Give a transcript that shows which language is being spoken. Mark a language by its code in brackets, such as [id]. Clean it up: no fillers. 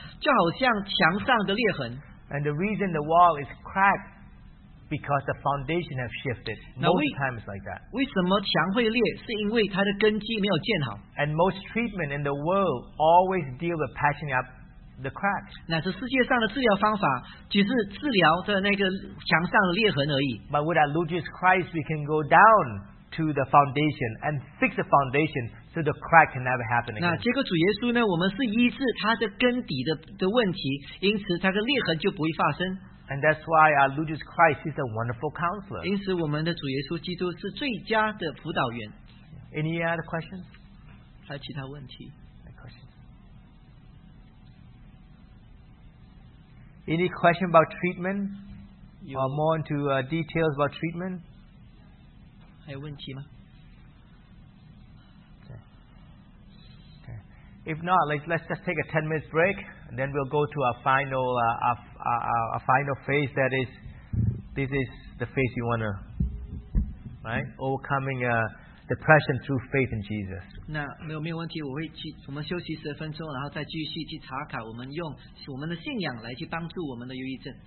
[zh] 那刚才我跟你们分享过的这些病因，这种忧郁症的病状，就好像墙上的裂痕。 [en] And the reason the wall is cracked, because the foundation has shifted. Most times like that. [zh] 为什么墙会裂，是因为它的根基没有建好。 [en] And most treatment in the world always deal with patching up the cracks. [zh] 那这世界上的治疗方法只是治疗的那个墙上的裂痕而已。 [en] But with our Lord Jesus Christ, we can go down to the foundation and fix the foundation so the crack can never happen again. [zh] 那结果主耶稣呢，我们是医治他的根底的问题，因此他的裂痕就不会发生。 [en] And that's why our Lord Jesus Christ is a wonderful counselor. [zh] 因此我们的主耶稣基督是最佳的辅导员。 [en] Any other questions? [zh] 还有其他问题？ [en] Any question about treatment? Or more into details about treatment? [zh] 还有问题吗？ [en] Okay. If not, let's just take a 10-minute break, and then we'll go to our final phase. This is the phase you want to, right? Overcoming depression through faith in Jesus. [zh] 那没有问题，我们休息十分钟，然后再继续去查考，我们用我们的信仰来去帮助我们的忧郁症。